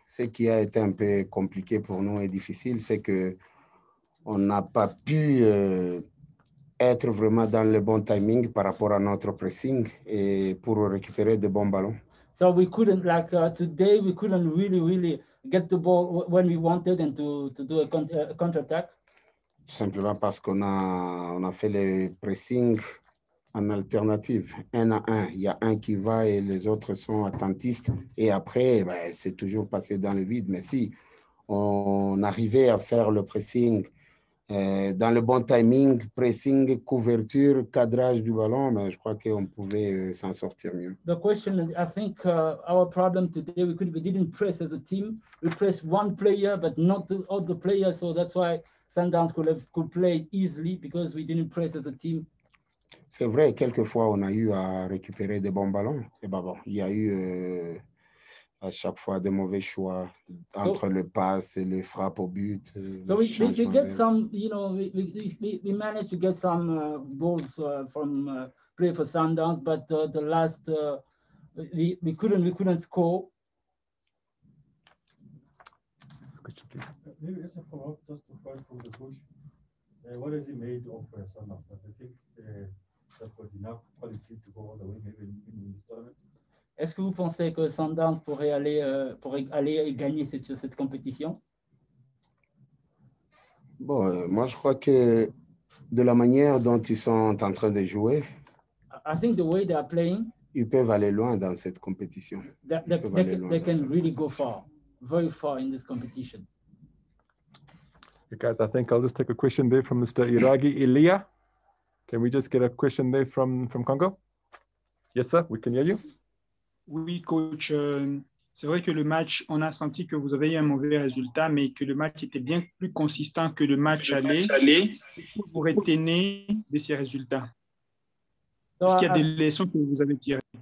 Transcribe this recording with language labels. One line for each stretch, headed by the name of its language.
French: Ce qui a été un peu compliqué pour nous et difficile, c'est que on n'a pas pu être vraiment dans le bon timing par rapport à notre pressing et pour récupérer de bons ballons.
English: So we couldn't, like today, we couldn't really, really get the ball when we wanted and to do a counter-attack.
French: Simplement parce qu'on a fait le pressing en alternative, un à un. Il y a un qui va et les autres sont attentistes. Et après, ben, c'est toujours passé dans le vide. Mais si on arrivait à faire le pressing dans le bon timing, pressing, couverture, cadrage du ballon, ben, je crois qu'on pouvait s'en sortir mieux.
English: The question, I think our problem today, we didn't press as a team. We pressed one player, but not all the players. So that's why Sundowns could play easily because we didn't press as a team.
French: C'est vrai, quelquefois on a eu à récupérer des bons ballons. Et ben bon, il y a eu à chaque fois des mauvais choix entre le passe et les frappes au but.
English: So we get some, you know, we managed to get some goals from play for Sundowns, but the last we couldn't score. Maybe it's a follow-up just to find from the coach. What has he made of Sundowns? I think that's got enough quality to go all the way, maybe even in this tournament.
French: Est-ce que vous pensez que Sundowns pourrait aller et gagner cette compétition? Bon, moi je crois que de la manière dont ils sont en train de jouer,
English: I think the way they are playing,
French: ils peuvent aller loin dans cette compétition.
English: They can really go far, very far in this competition. Guys, I think I'll just take a question there from Mr. Iragi Elia. Can we just get a question there from Congo? Yes, sir, we can hear you.
French: Oui, coach. C'est vrai que le match, on a senti que vous avez eu un mauvais résultat, mais que le match était bien plus consistant que le match aller. Qu'est-ce que vous retenez de ces résultats? Est-ce qu'il y a des leçons que vous avez tirées?